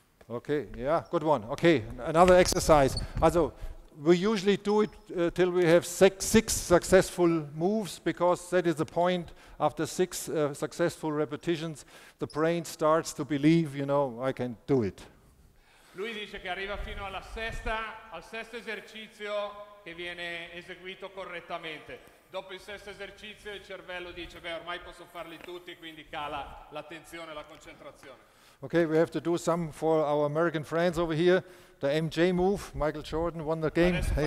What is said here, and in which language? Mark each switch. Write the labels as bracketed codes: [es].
[en] Okay, yeah, good one. Okay, another exercise. Also, we usually do it till we have six successful moves, because that is the point. After six successful repetitions, the brain starts to believe, you know, I can do it. [it] Lui dice che arriva fino alla sesta, al sesto esercizio che viene eseguito correttamente. Dopo il sesto esercizio il cervello dice, beh, ormai posso farli tutti, quindi cala l'attenzione, la concentrazione. [en] Okay, we have to do some for our American friends over here. The MJ move, Michael Jordan won the game.